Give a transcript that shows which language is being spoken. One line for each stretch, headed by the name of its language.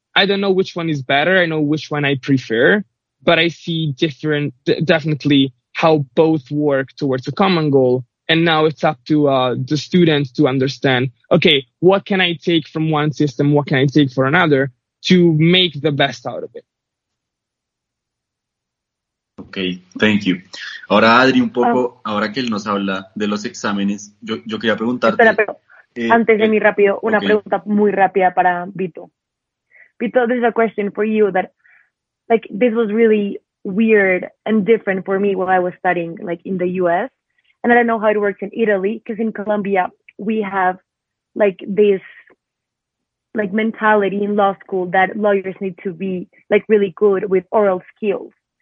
English: I don't know which one is better. I know which one I prefer, but I see definitely how both work towards a common goal. And now it's up to the students to understand, okay, what can I take from one system? What can I take for another to make the best out of it? Okay, thank you.
Spanish: Ahora, Adri, un poco, ahora que él nos habla de los exámenes, yo quería preguntarte... Espera, pero Antes de mí rápido, una pregunta muy rápida para Vito.
English: Vito, this is a question for you that, like, this was really weird and different for me while I was studying, like, in the U.S. And I don't know how it works in Italy, because in Colombia, we have, like, this, like, mentality in law school that lawyers need to be, like, really good with oral skills.